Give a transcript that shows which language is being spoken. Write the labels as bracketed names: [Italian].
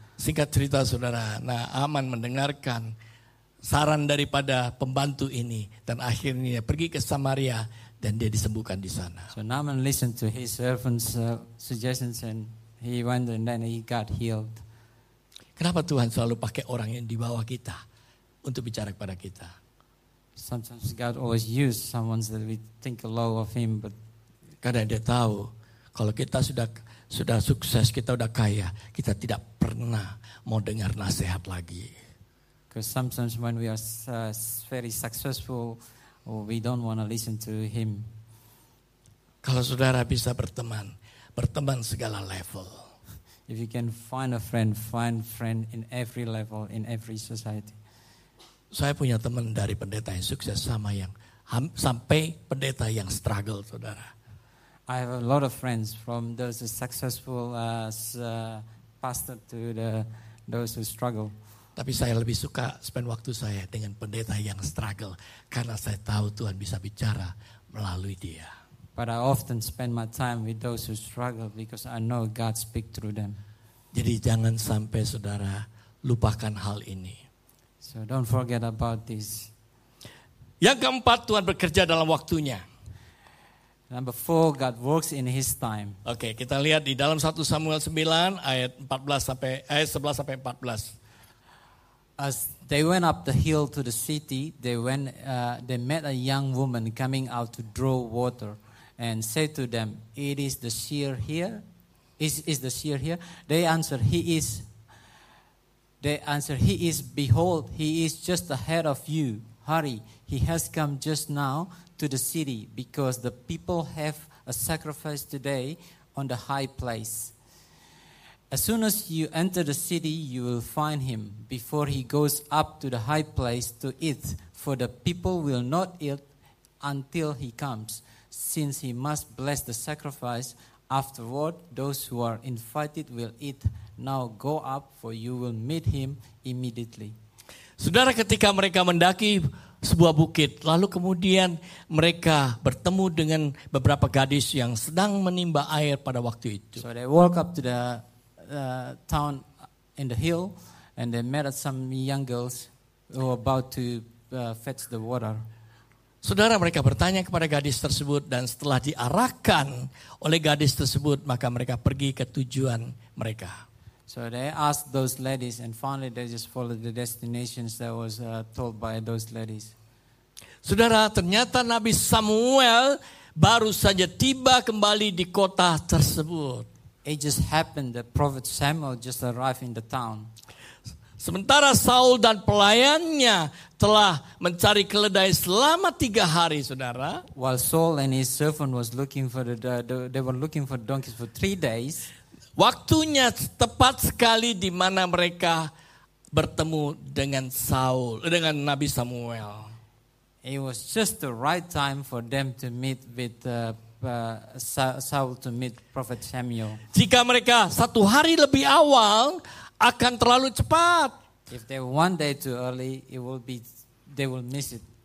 [Indonesian] Singkat cerita saudara, nah Aman mendengarkan saran daripada pembantu ini dan akhirnya pergi ke Samaria dan dia disembuhkan di sana. [English] So Naaman listened to his servant's suggestions and he went and then he got healed. [Indonesian] Kenapa Tuhan selalu pakai orang yang di bawah kita untuk bicara kepada kita? [English] Sometimes God always use someone that we think low of him, but [Indonesian] kadang dia tahu kalau kita sudah sukses, kita sudah kaya, kita tidak pernah mau dengar nasihat lagi. [English] Because sometimes when we are very successful, we don't want to listen to him. [Indonesian] Kalau saudara bisa berteman segala level. [English] If you can find a friend in every level, in every society. [Indonesian] Saya punya teman dari pendeta yang sukses sama yang sampai pendeta yang struggle, saudara. [English] I have a lot of friends from those who are successful as pastor to those who struggle. [Indonesian] Tapi saya lebih suka spend waktu saya dengan pendeta yang struggle karena saya tahu Tuhan bisa bicara melalui dia. [English] But I often spend my time with those who struggle because I know God speak through them. [Indonesian] Jadi jangan sampai saudara lupakan hal ini. [English] So don't forget about this. [Indonesian] Yang keempat, Tuhan bekerja dalam waktunya. [English] Number four, God works in his time. [Indonesian] Oke, kita lihat di dalam 1 Samuel 9 ayat 14 sampai ayat 11 sampai 14. [English] As they went up the hill to the city, they met a young woman coming out to draw water and said to them, "It is the seer here? Is the seer here?" They answered, "He is." They answered, "He is. Behold, he is just ahead of you. Hurry, he has come just now to the city because the people have a sacrifice today on the high place. As soon as you enter the city, you will find him before he goes up to the high place to eat, for the people will not eat until he comes, since he must bless the sacrifice. Afterward, those who are invited will eat. Now go up, for you will meet him immediately." [Indonesian] Saudara, ketika mereka mendaki sebuah bukit, lalu kemudian mereka bertemu dengan beberapa gadis yang sedang menimba air pada waktu itu. [English] So they walk up to the town in the hill and they met some young girls who were about to fetch the water. [Indonesian] Saudara, mereka bertanya kepada gadis tersebut dan setelah diarahkan oleh gadis tersebut, maka mereka pergi ke tujuan mereka. [English] So they asked those ladies and finally they just followed the destinations that was told by those ladies. [Indonesian] Saudara, ternyata Nabi Samuel baru saja tiba kembali di kota tersebut. [English] It just happened that Prophet Samuel just arrived in the town. [Indonesian] Sementara Saul dan pelayannya telah mencari keledai selama 3 hari, saudara. [English] While Saul and his servant was looking for the donkeys for 3 days. [Indonesian] Waktunya tepat sekali di mana mereka bertemu dengan Saul, dengan Nabi Samuel. [English] It was just the right time for them to meet with Saul to meet Prophet Samuel. [Indonesian] Jika mereka 1 hari lebih awal, akan terlalu cepat. [English] If they were 1 day too early, they will miss it.